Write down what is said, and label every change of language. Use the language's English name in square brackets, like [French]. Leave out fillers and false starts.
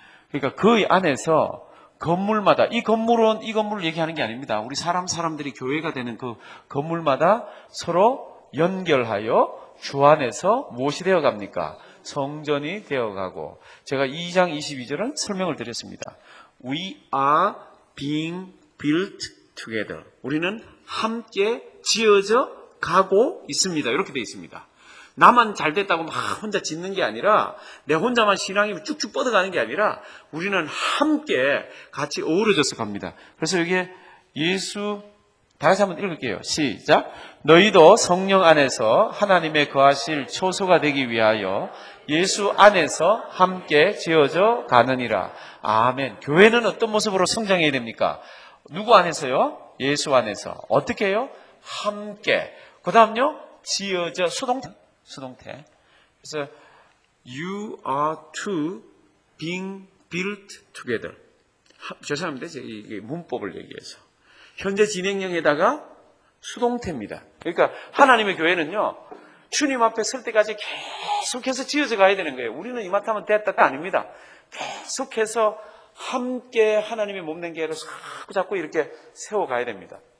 [Korean] 그러니까 그 안에서 건물마다, 이 건물은 이 건물을 얘기하는 게 아닙니다. 우리 사람들이 교회가 되는 그 건물마다 서로 연결하여 주 안에서 무엇이 되어 갑니까? 성전이 되어가고 제가 2장 22절은 설명을 드렸습니다. [English] We are being built together. [Korean] 우리는 함께 지어져 가고 있습니다. 이렇게 되어 있습니다. 나만 잘 됐다고 막 혼자 짓는 게 아니라 내 혼자만 신앙이 쭉쭉 뻗어가는 게 아니라 우리는 함께 같이 어우러져서 갑니다. 그래서 여기에 예수 다 같이 한번 읽을게요. 시작! 너희도 성령 안에서 하나님의 거하실 초소가 되기 위하여 예수 안에서 함께 지어져 가느니라. 아멘. 교회는 어떤 모습으로 성장해야 됩니까? 누구 안에서요? 예수 안에서. 어떻게 해요? 함께. 그 다음요? 지어져 수동태. 수동태. 그래서 [English] You are to being built together. [Korean] 죄송합니다. 이게 문법을 얘기해서. 현재 진행형에다가 수동태입니다. 그러니까 하나님의 교회는요, 주님 앞에 설 때까지 계속해서 지어져 가야 되는 거예요. 우리는 이만하면 됐다가 아닙니다. 계속해서 함께 하나님의 몸된 교회를 자꾸 이렇게 세워가야 됩니다.